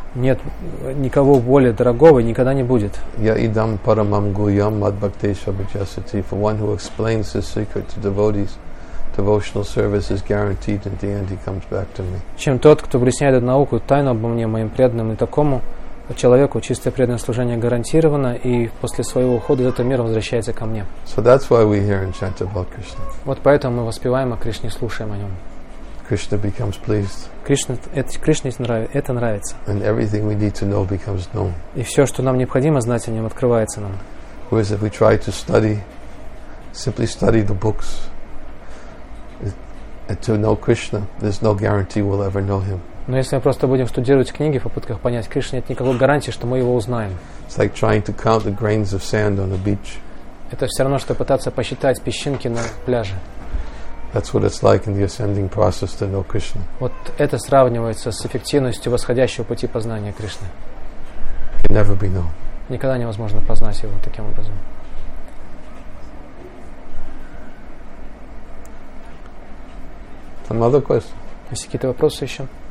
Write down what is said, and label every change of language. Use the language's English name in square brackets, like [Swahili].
[Russian] Нет никого более дорогого и никогда не будет. [Sanskrit] Я идам парамам гуям мадбхактеша бхаджасати. [English] For one who explains his secret to devotees, devotional service is guaranteed, and in the end he comes back to me. [Russian] Чем тот, кто объясняет эту науку, тайну обо мне, моим преданным и такому человеку чистое преданное служение гарантировано, и после своего ухода из этого мира возвращается ко мне. [English] So that's why we hear and chant about Krishna. [Russian] Вот поэтому мы воспеваем о Кришне, слушаем о нем. [English] Krishna becomes pleased. [Russian] Кришне это нравится. [English] And everything we need to know becomes known. [Russian] И все, что нам необходимо знать о нем, открывается нам. [English] Whereas if we try to study, simply study the books, to know Krishna, there's no guarantee we'll ever know him. [Russian] Но если мы просто будем студировать книги в попытках понять Кришну, нет никакой гарантии, что мы его узнаем. [English] It's like trying to count the grains of sand on a beach. [Russian] Это все равно, что пытаться посчитать песчинки на пляже. [English] That's what it's like in the ascending process to know Krishna. [Russian] Вот это сравнивается с эффективностью восходящего пути познания Кришны. [English] Can never be known. [Russian] Никогда невозможно познать его таким образом. [English] Some other questions? [Russian] Есть какие-то вопросы еще?